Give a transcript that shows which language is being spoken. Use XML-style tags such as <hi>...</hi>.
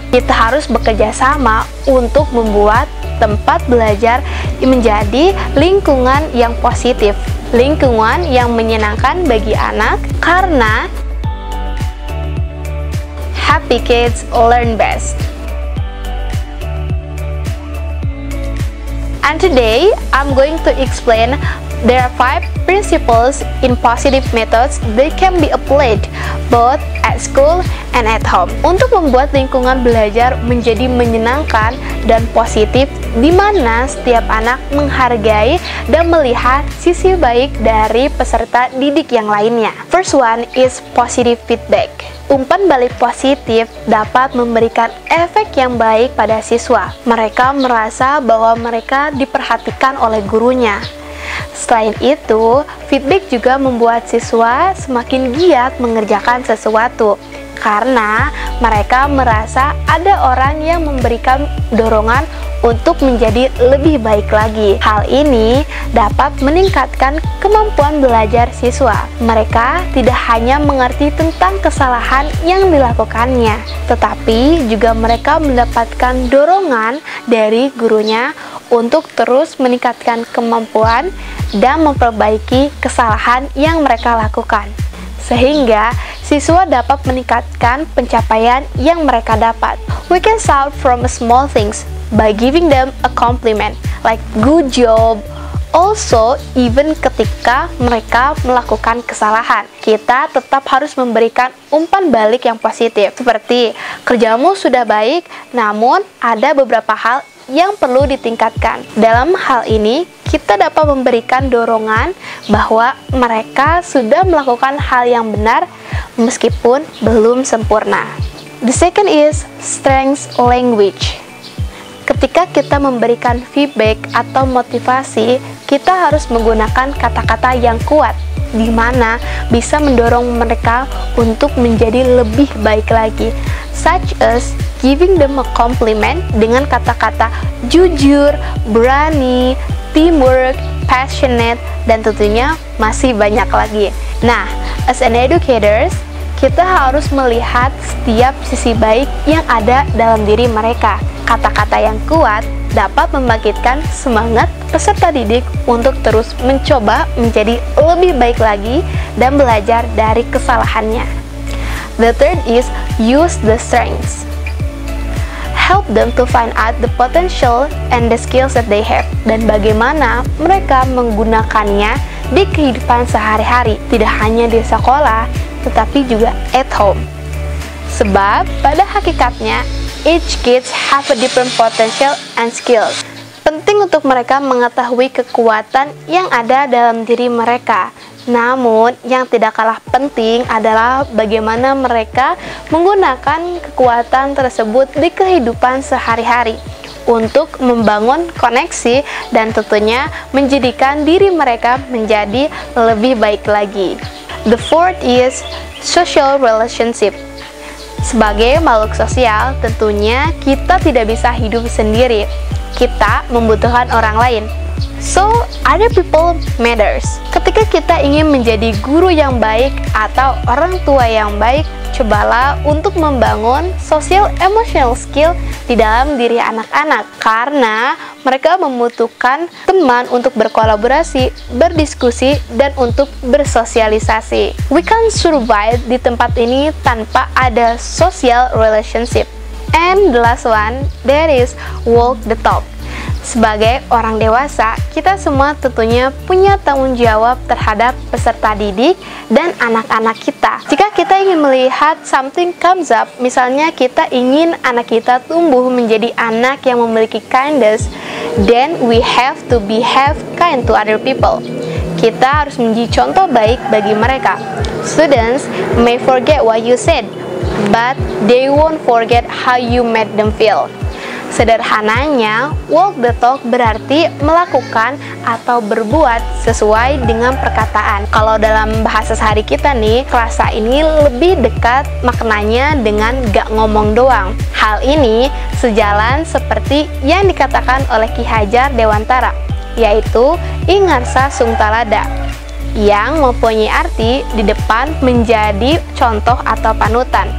<id>Kita harus bekerja sama untuk membuat tempat belajar menjadi lingkungan yang positif, lingkungan yang menyenangkan bagi anak, karena</id> <en>happy kids learn best. And today, I'm going to explain there are 5 principles in positive methods that can be applied both at school and at home.</en> <id>Untuk membuat lingkungan belajar menjadi menyenangkan dan positif, di mana setiap anak menghargai dan melihat sisi baik dari peserta didik yang lainnya.</id> <en>First one is positive feedback.</en> <id>Umpan balik positif dapat memberikan efek yang baik pada siswa. Mereka merasa bahwa mereka diperhatikan oleh gurunya. Selain itu, feedback juga membuat siswa semakin giat mengerjakan sesuatu karena mereka merasa ada orang yang memberikan dorongan untuk menjadi lebih baik lagi. Hal ini dapat meningkatkan kemampuan belajar siswa. Mereka tidak hanya mengerti tentang kesalahan yang dilakukannya, tetapi juga mereka mendapatkan dorongan dari gurunya untuk terus meningkatkan kemampuan dan memperbaiki kesalahan yang mereka lakukan, sehingga siswa dapat meningkatkan pencapaian yang mereka dapat.</id> <en>We can start from small things by giving them a compliment, like good job. Also, even</en> <id>ketika mereka melakukan kesalahan, kita tetap harus memberikan umpan balik yang positif. Seperti, kerjamu sudah baik, namun ada beberapa hal yang perlu ditingkatkan. Dalam hal ini, kita dapat memberikan dorongan bahwa mereka sudah melakukan hal yang benar meskipun belum sempurna.</id> <en>The second is strength language.</en> <id>Ketika kita memberikan feedback atau motivasi, kita harus menggunakan kata-kata yang kuat, di mana bisa mendorong mereka untuk menjadi lebih baik lagi,</id> <en>such as giving them a compliment</en> <id>dengan kata-kata jujur, berani, teamwork, passionate, dan tentunya masih banyak lagi. Nah,</id> <en>as an educators,</en> <id>kita harus melihat setiap sisi baik yang ada dalam diri mereka. Kata-kata yang kuat dapat membangkitkan semangat peserta didik untuk terus mencoba menjadi lebih baik lagi dan belajar dari kesalahannya.</id> <en>The third is use the strengths. Help them to find out the potential and the skills that they have</en> <id>dan bagaimana mereka menggunakannya di kehidupan sehari-hari, tidak hanya di sekolah, tetapi juga</id> <en>at home.</en> <id>Sebab pada hakikatnya,</id> <en>each kid have a different potential and skills.</en> <id>Penting untuk mereka mengetahui kekuatan yang ada dalam diri mereka. Namun, yang tidak kalah penting adalah bagaimana mereka menggunakan kekuatan tersebut di kehidupan sehari-hari untuk membangun koneksi dan tentunya menjadikan diri mereka menjadi lebih baik lagi. The fourth is social relationship. Sebagai makhluk sosial, tentunya kita tidak bisa hidup sendiri. Kita membutuhkan orang lain.</id> <en>So, other people matters.</en> <id>Ketika kita ingin menjadi guru yang baik atau orang tua yang baik, cobalah untuk membangun</id> <en>social emotional skill</en> <id>di dalam diri anak-anak. Karena mereka membutuhkan teman untuk berkolaborasi, berdiskusi, dan untuk bersosialisasi.</id> <en>We can't survive</en> <id>di tempat ini tanpa ada</id> <en>social relationship. And the last one, that is walk the talk.</en> <id>Sebagai orang dewasa, kita semua tentunya punya tanggung jawab terhadap peserta didik dan anak-anak kita. Jika kita ingin melihat</id> <en>something comes up,</en> <id>misalnya kita ingin anak kita tumbuh menjadi anak yang memiliki kindness,</id> <en>then we have to behave kind to other people.</en> <id>Kita harus menjadi contoh baik bagi mereka.</id> <en>Students may forget what you said, but they won't forget how you made them feel.</en> <id>Sederhananya,</id> <en>walk the talk</en> <id>berarti melakukan atau berbuat sesuai dengan perkataan. Kalau dalam bahasa sehari kita nih, kerasa ini lebih dekat maknanya dengan gak ngomong doang. Hal ini sejalan seperti yang dikatakan oleh Ki Hajar Dewantara, yaitu ingarsa sungtalada, yang mempunyai arti di depan menjadi contoh atau panutan.</id>